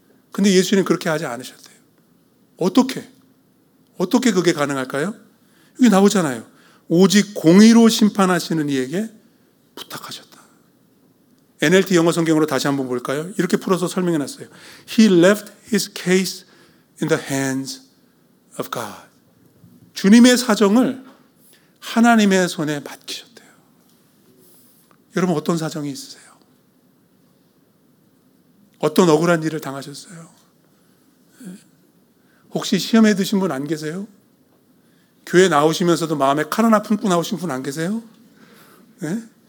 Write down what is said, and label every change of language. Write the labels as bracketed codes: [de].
[ko] 근데 예수님 그렇게 하지 않으셨대요. 어떻게? 어떻게 그게 가능할까요? 여기 나오잖아요. 오직 공의로 심판하시는 이에게 부탁하셨다. NLT 영어 성경으로 다시 한번 볼까요? 이렇게 풀어서 설명해 놨어요. [en] He left his case in the hands of God. [ko] 주님의 사정을 하나님의 손에 맡기셨대요. 여러분 어떤 사정이 있으세요? 어떤 억울한 일을 당하셨어요? 혹시 시험에 드신 분 안 계세요? 교회 나오시면서도 마음에 칼 하나 품고 나오신 분 안 계세요? 네?